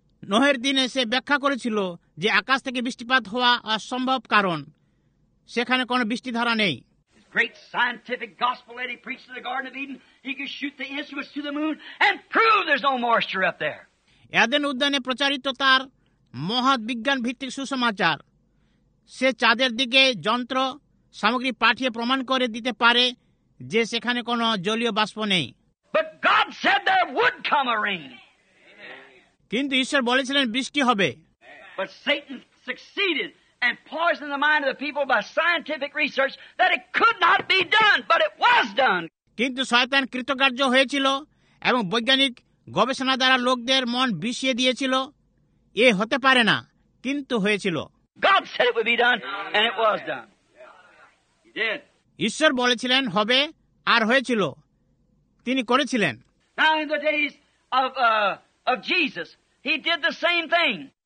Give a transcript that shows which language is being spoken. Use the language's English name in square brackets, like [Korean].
[Bangla] নোহের দিনে সে ব্যাখ্যা করেছিল যে আকাশ থেকে বৃষ্টিপাত হওয়া অসম্ভব, কারণ সেখানে কোন বৃষ্টি ধারা নেই। [English] Great scientific gospel that he preached in the Garden of Eden, he could shoot the instruments to the moon and prove there's no moisture up there. [Bangla] এদেন উদ্যানে প্রচারিত তার মহৎ বিজ্ঞান ভিত্তিক সুসমাচার, সে চাঁদের দিকে যন্ত্র সামগ্রী পাঠিয়ে প্রমাণ করে দিতে পারে যে সেখানে কোন জলীয় বাষ্প নেই। [English] But God said there would come a rain. [Bangla] কিন্তু ঈশ্বর বলেছিলেন বৃষ্টি হবে। [English] But Satan succeeded. And poisoned the mind of the people by scientific research that it could not be done, but it was done. [Bangla] কিন্তু শয়তান কৃতকার্য হয়েছিল এবং বৈজ্ঞানিক গবেষণা দ্বারা লোকদের মন বিষিয়ে দিয়েছিল, এ হতে পারে না, কিন্তু হয়েছিল। [English] God said it would be done, and it was done. He did. [Bangla] ঈশ্বর বলেছিলেন হবে আর হয়েছিল, তিনি করেছিলেন। [English] Now in the days of Jesus, he did the same thing.